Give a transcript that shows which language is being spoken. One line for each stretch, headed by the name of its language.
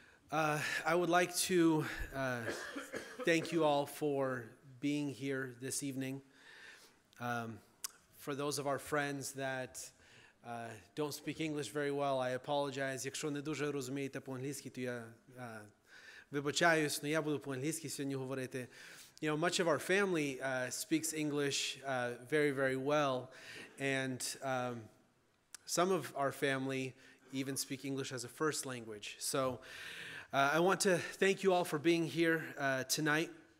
English: I would like to thank you all for being here this evening. For those of our friends that don't speak English very well, I apologize.
Ukrainian: Якщо не дуже розумієте по-англійськи, то я вибачаюсь, но я буду по-англійськи сьогодні говорити.
English: You know, much of our family speaks English very, very well, and some of our family even speak English as a first language. So I want to thank you all for being here tonight.